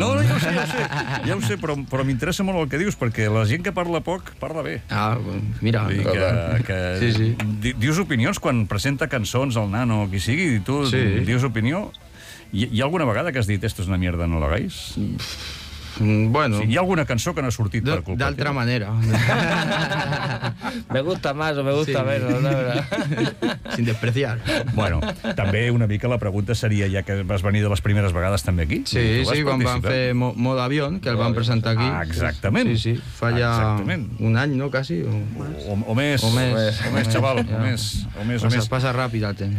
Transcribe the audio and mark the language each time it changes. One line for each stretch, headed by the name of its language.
Catalan: No, ja ho sé, però m'interessa molt el que dius, perquè la gent que parla poc, parla bé. Ah, mira. Sí. Dius opinions quan presenta cançons al nano o qui sigui, i tu dius opinió. Hi ha alguna vegada que has dit
Spanish: esto es una mierda, no lo hagáis? Bueno,
Catalan: sí, hi ha alguna cançó que no ha sortit per culpa. D'altra manera.
Spanish: Me gusta más o me gusta menos, la verdad. Sin despreciar.
Catalan: Bueno, també una mica la pregunta seria, ja que vas venir de les primeres vegades també aquí. Sí, sí, quan van fer Modo Avión, que el van presentar aquí. Ah, exactament. Sí, sí, fa ja un any, no, quasi. O més, xaval, o més. Passa ràpid el temps.